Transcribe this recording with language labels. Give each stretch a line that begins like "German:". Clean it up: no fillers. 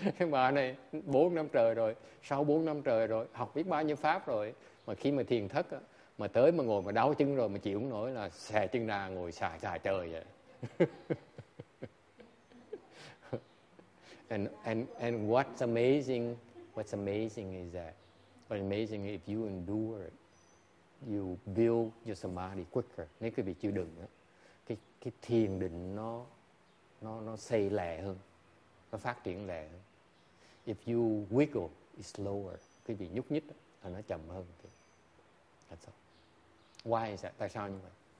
Vietnamese: Bà này 4 năm trời rồi, sau 4 năm trời rồi, học biết bao nhiêu pháp rồi, mà khi mà thiền thất, mà tới mà ngồi mà đau chân rồi, mà chịu không nổi là xè chân ra ngồi xài xài trời vậy.
English: And what's amazing is that, what's amazing if you endure it, you build your samadhi quicker.
Vietnamese: Nếu quý vị chịu đựng á, cái thiền định nó xây lẹ hơn, nó phát triển lẹ hơn.
English: If you wiggle, it's slower.
Vietnamese: Quý vị nhúc nhích là nó chậm hơn.
English: That's all. Why is that?
Vietnamese: Tại sao như vậy?